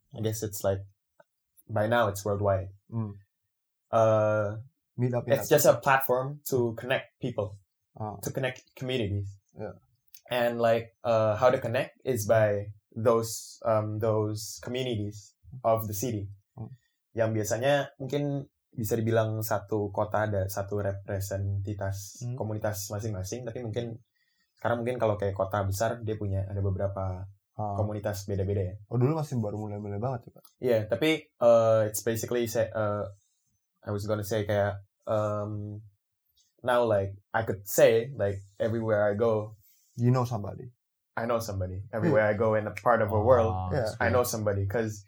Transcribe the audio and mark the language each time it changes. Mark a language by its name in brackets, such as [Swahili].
[English] I guess it's like by now it's worldwide. Mm. Meet up. It's just a platform to connect people, to connect communities. Yeah. And like, how to connect is by those communities of the city. Mm. [Indonesian] Yang biasanya mungkin bisa dibilang satu kota ada satu representitas komunitas masing-masing, tapi mungkin sekarang mungkin kalau kayak kota besar dia punya ada beberapa komunitas beda-beda ya. Oh, dulu masih baru mulai-mulai banget ya, Pak. [English] Iya, yeah, [Indonesian] tapi [English] it's basically I was gonna say kayak now like I could say like everywhere I go you know somebody. I know somebody. Everywhere I go in a part of a world, I know somebody. Because